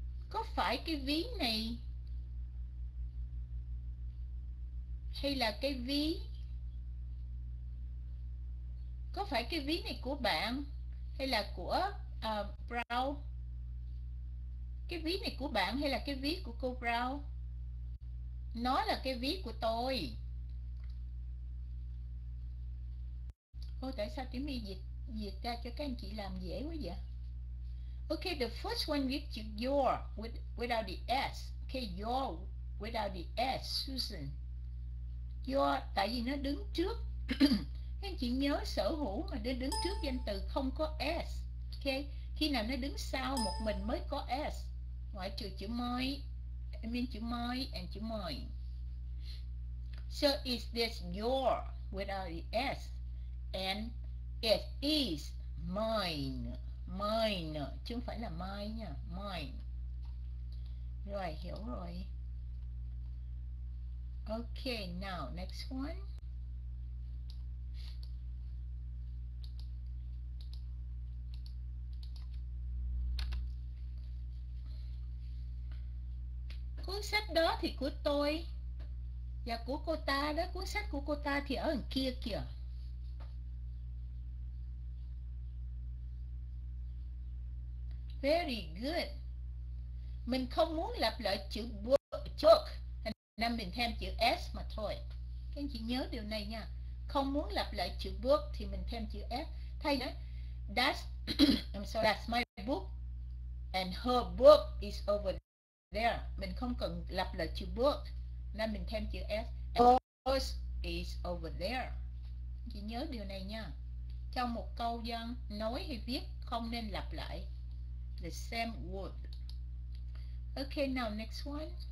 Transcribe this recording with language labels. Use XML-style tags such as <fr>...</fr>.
<vi>Có phải cái ví này hay là cái ví, có phải cái ví này của bạn hay là của Brown? Cái ví này của bạn hay là cái ví của cô Brown? Nó là cái ví của tôi. Ô, tại sao tiếng Mỹ dịch dịch ra cho các anh chị làm dễ quá vậy?</vi> <en>Okay, the first one with you, your without the S. Okay, your without the S, Susan.</en> <vi>Your, tại vì nó đứng trước. Anh chị nhớ sở hữu mà nó đứng trước danh từ không có S. Okay, khi nào nó đứng sau một mình mới có S. Ngoại trừ chữ my,</vi> <en>I mean</en> <vi>chữ my and chữ mine.</vi> <en>So is this your without the S, and it is mine.</en> <vi>Mine, chứ không phải là my nha. Mine. Rồi, hiểu rồi.</vi> <en>Ok, now next one.</en> <vi>đó thì của tôi và của cô ta đó, cuốn sách của cô ta thì ở đằng kia kìa.</vi> <en>Very good.</en> <vi>Mình không muốn lặp lại chữ book, book. Năm mình thêm chữ S mà thôi. Các anh chị nhớ điều này nha. Không muốn lặp lại chữ book thì mình thêm chữ S. Thay nhé.</vi> <en>That's my book and her book is over there.</en> <vi>Mình không cần lặp lại chữ book. Nên mình thêm chữ S.</vi> <en>And hers is over there.</en> <vi>Chị nhớ điều này nha. Trong một câu văn nói hay viết không nên lặp lại</vi> <en>the same word. Okay, now next one.</en>